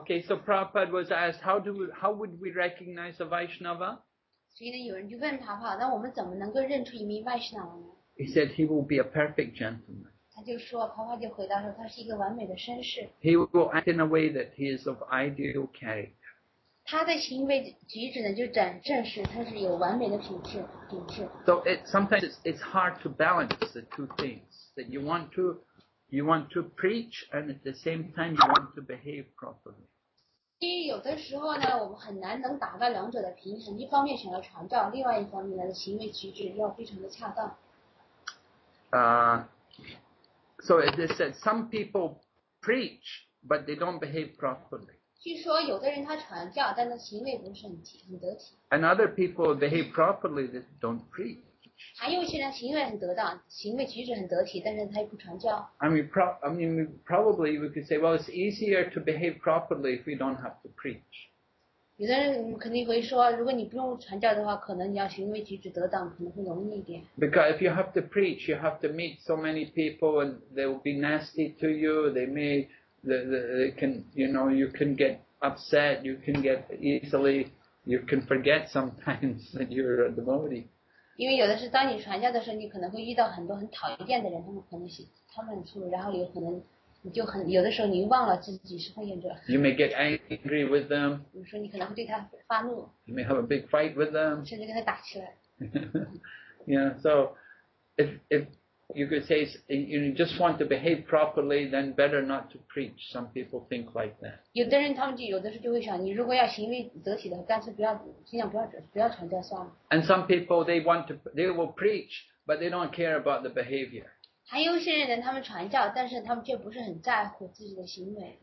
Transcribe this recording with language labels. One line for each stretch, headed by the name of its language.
English: Okay, so Prabhupada was asked, how would we recognize a Vaishnava?
Chinese: So, 有人就问他哈，那我们怎么能够认出一名 Vaishnava 呢？
English: He said he will be a perfect gentleman.
Chinese: 他就说，婆婆就回答说，他是一个完美的绅士。
English: He will act in a way that he is of ideal character.
Chinese: 他的行为举止呢，就展证是他是有完美的品质。
English: So it sometimes it's hard to balance the two things that you want to preach and at the same time you want to behave properly.
Chinese: 第一，有的时候呢，我们很难能达到两者的平衡，一方面想要传道，另外一方面呢，行为举止要非常的恰当。
English: So they said some people preach but they don't behave properly.
Chinese: 据说有的人他传教，但他行为不是很得体。
English: And other people behave properly they don't preach.
Chinese: 还有些人行为很得当，行为举止很得体，但是他又不传教。
English: I mean, probably we could say, well, it's easier to behave properly if we don't have to preach.
Chinese: 有的人肯定会说，如果你不用传教的话，可能你要行为举止得当，可能会容易一点。
English: Because if you have to preach, you have to meet so many people, and they will be nasty to you. You can get upset. You can get easily. You can forget sometimes that you're a devotee.
Chinese: 因为有的是当你传教的时候，你可能会遇到很多很讨厌的人，他们很粗鲁，然后有可能。有的时候你忘了自己是奉献者。
English: You may get angry with them.
Chinese: 比如说你可能会对他发怒。
English: You may have a big fight with them.
Chinese: 甚至跟他打起来。
English: Yeah, so if you could say you just want to behave properly, then better not to preach. Some people think like that.
Chinese: 有的人他们就有的时候就会想，你如果要行为得体的话，干脆不要，尽量不要传教算了。
English: And some people they will preach, but they don't care about the behavior.
Chinese: 还有些人他们传教，但是他们却不是很在乎自己的行为。